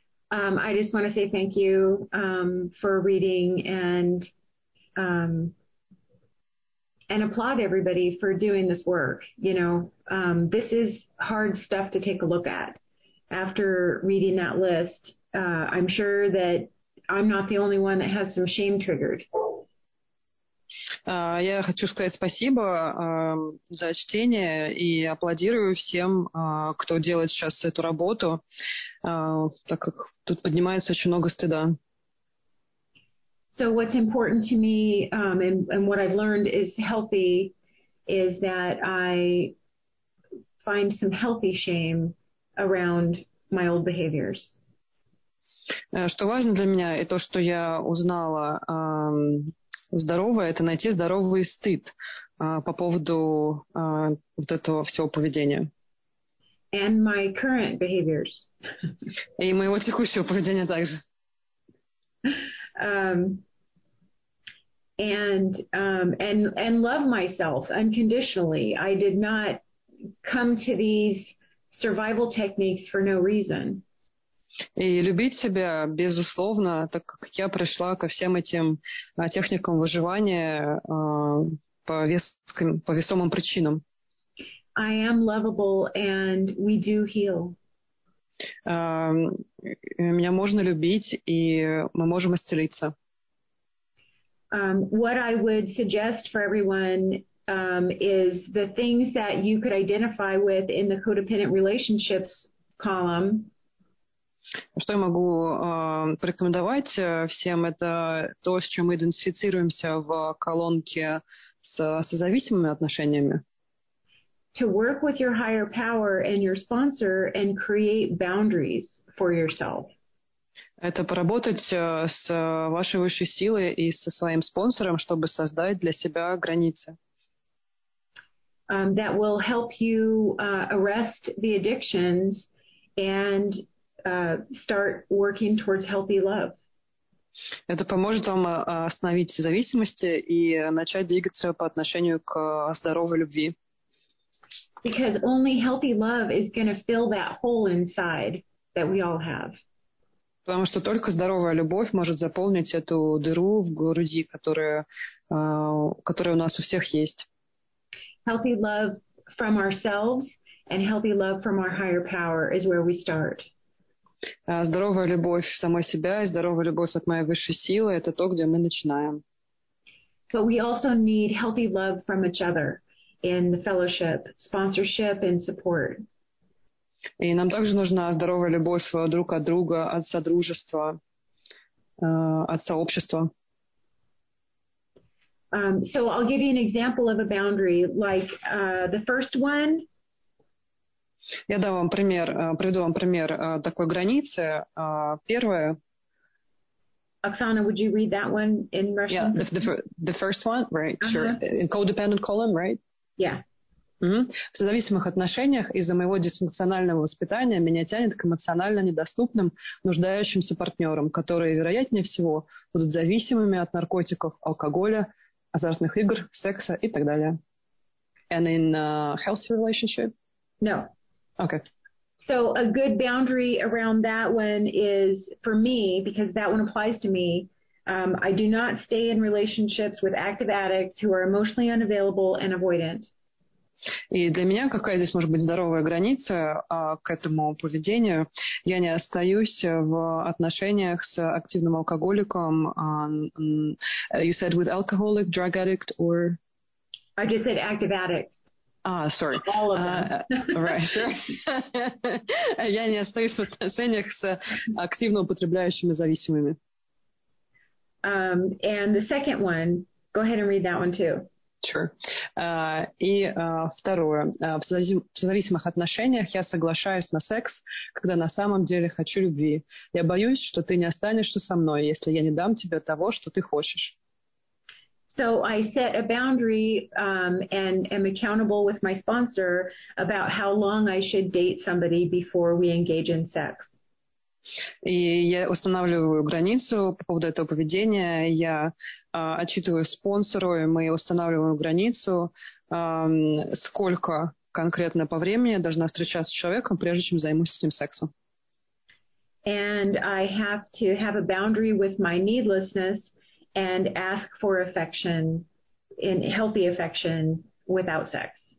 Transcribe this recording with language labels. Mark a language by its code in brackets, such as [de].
[en] I just want to say thank you for reading and applaud everybody for doing this work. You know, this is hard stuff to take a look at. After reading that list, I'm sure that I'm not the only one that has some shame triggered. [ru] Я хочу сказать спасибо за чтение и аплодирую всем, кто делает сейчас эту работу, так как тут поднимается очень много стыда. [en] So what's important to me and what I've learned is healthy is that I find some healthy shame around my old behaviors. [ru] Что важно для меня, это то, что я узнала здоровое, это найти здоровый стыд по поводу вот этого всего поведения. [en] And my current behaviors. [ru] И моего текущего поведения также. [en] And love myself unconditionally. I did not come to these survival techniques for no reason. [ru] И любить себя безусловно, так как я пришла ко всем этим техникам выживания по весомым причинам. [en] I am lovable, and we do heal. [ru] Меня можно любить, и мы можем исцелиться. [en] What I would suggest for everyone is the things that you could identify with in the codependent relationships column. [ru] Что я могу порекомендовать всем, это то, с чем мы идентифицируемся в колонке с созависимыми отношениями. [en] To work with your higher power and your sponsor and create boundaries for yourself. [ru] Это поработать с вашей высшей силой и со своим спонсором, чтобы создать для себя границы. [en] That will help you arrest the addictions and start working towards healthy love. [ru] Это поможет вам остановить зависимости и начать двигаться по отношению к здоровой любви. [en] Because only healthy love is going to fill that hole inside that we all have. [ru] Потому что только здоровая любовь может заполнить эту дыру в груди, которая у нас у всех есть. [en] Healthy love from ourselves and healthy love from our higher power is where we start. [ru] Здоровая любовь самой себя и здоровая любовь от моей высшей силы — это то, где мы начинаем. [en] But we also need healthy love from each other in the fellowship, sponsorship and support. [ru] И нам также нужна здоровая любовь друг от друга, от содружества, от сообщества. [en] So I'll give you an example of a boundary, like the first one. [ru] Я дам вам пример, приведу вам пример такой границы. Первая. [en] Оксана, would you read that one in Russian? Yeah, the first one, right, uh-huh. Sure. In codependent column, right? Yeah. Mm-hmm. [ru] В созависимых отношениях из-за моего дисфункционального воспитания меня тянет к эмоционально недоступным, нуждающимся партнерам, которые, вероятнее всего, будут зависимыми от наркотиков, алкоголя, азартных игр, секса и так далее. [en] And in a healthy relationship? No. Okay. So a good boundary around that one is, for me, because that one applies to me, I do not stay in relationships with active addicts who are emotionally unavailable and avoidant. [ru] И для меня какая здесь может быть здоровая граница к этому поведению? Я не остаюсь в отношениях с активным алкоголиком. [en] You said with alcoholic, drug addict, or? I just said active addicts. Sorry. All of them. Right. [ru] Я не остаюсь в отношениях с активно употребляющими зависимыми. [en] And the second one, go ahead and read that one too. Sure. [ru] Второе. В зависимых отношениях я соглашаюсь на секс, когда на самом деле хочу любви. Я боюсь, что ты не останешься со мной, если я не дам тебе того, что ты хочешь. [en] So I set a boundary and am accountable with my sponsor about how long I should date somebody before we engage in sex. [ru] И я устанавливаю границу по поводу этого поведения. Я отчитываю спонсору, и мы устанавливаем границу, сколько конкретно по времени я должна встречаться с человеком, прежде чем займусь с ним сексом. [en] And I have to have a boundary with my needlessness and ask for affection, in healthy affection, without sex.